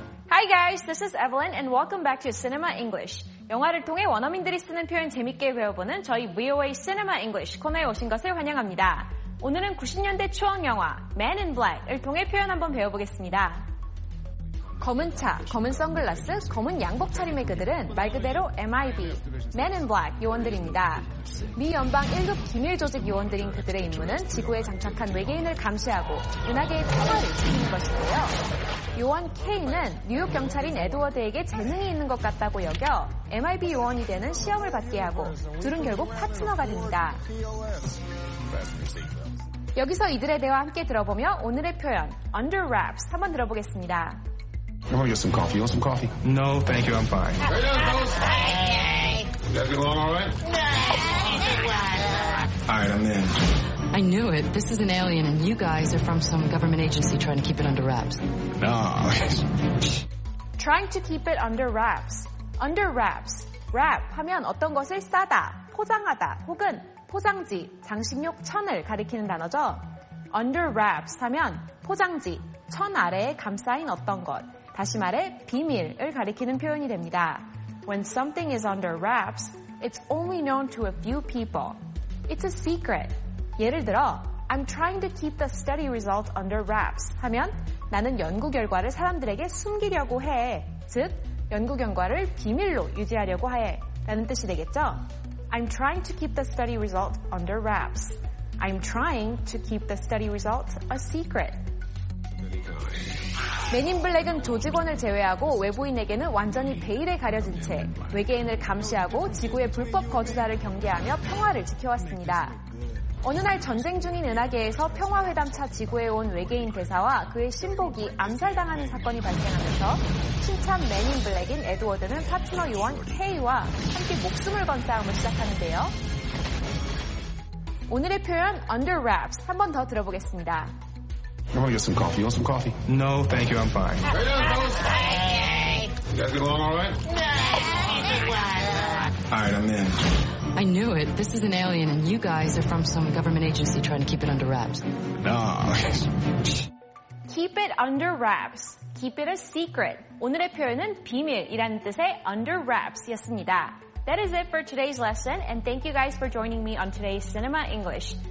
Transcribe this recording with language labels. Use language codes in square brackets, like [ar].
[en] Hi guys, this is Evelyn and welcome back to Cinema English. [ko] 영화를 통해 원어민들이 쓰는 표현 재밌게 배워보는 저희 VOA Cinema English 코너에 오신 것을 환영합니다. 오늘은 90년대 추억 영화 Man in Black을 통해 표현 한번 배워보겠습니다. 검은 차, 검은 선글라스, 검은 양복 차림의 그들은 말 그대로 MIB, Men in Black 요원들입니다. 미 연방 1급 기밀조직 요원들인 그들의 임무는 지구에 장착한 외계인을 감시하고 은하계의 평화를 지키는 것인데요. 요원 K는 뉴욕 경찰인 에드워드에게 재능이 있는 것 같다고 여겨 MIB 요원이 되는 시험을 받게 하고 둘은 결국 파트너가 됩니다. 여기서 이들의 대화 함께 들어보며 오늘의 표현 Under Wraps 한번 들어보겠습니다. [en] I want to get some coffee. You want some coffee? No, thank you. I'm fine. How you doing, folks? Hey. You guys get along all right? All right, I'm in. I knew it. This is an alien, and you guys are from some government agency trying to keep it under wraps. No. Trying to keep it under wraps. Under wraps. [ko] Wrap 하면 어떤 것을 싸다, 포장하다, 혹은 포장지, 장식용 천을 가리키는 단어죠. Under wraps 하면 포장지, 천 아래에 감싸인 어떤 것. 다시 말해 비밀을 가리키는 표현이 됩니다. [en] When something is under wraps, it's only known to a few people. It's a secret. [ko] 예를 들어, [en] I'm trying to keep the study result under wraps [ko] 하면 나는 연구 결과를 사람들에게 숨기려고 해. 즉, 연구 결과를 비밀로 유지하려고 해. 라는 뜻이 되겠죠? [en] I'm trying to keep the study result under wraps. I'm trying to keep the study result a secret. [ko] 맨인블랙은 조직원을 제외하고 외부인에게는 완전히 베일에 가려진 채 외계인을 감시하고 지구의 불법 거주자를 경계하며 평화를 지켜왔습니다. 어느 날 전쟁 중인 은하계에서 평화회담차 지구에 온 외계인 대사와 그의 신복이 암살당하는 사건이 발생하면서 신참 맨인블랙인 에드워드는 파트너 요원 K와 함께 목숨을 건 싸움을 시작하는데요. 오늘의 표현 Under Wraps 한 번 더 들어보겠습니다. [en] I want to get some coffee. You want some coffee? No, thank you. I'm fine. How you doing, folks? Hey. You guys get along all right? All right, I'm in. I knew it. This is an alien, and you guys are from some government agency trying to keep it under wraps. No. Keep it under wraps. Keep it a secret. [ko] 오늘의 표현은 비밀이라는 뜻의 under wraps였습니다. [en] That is it for today's lesson, and thank you guys for joining me on today's Cinema English.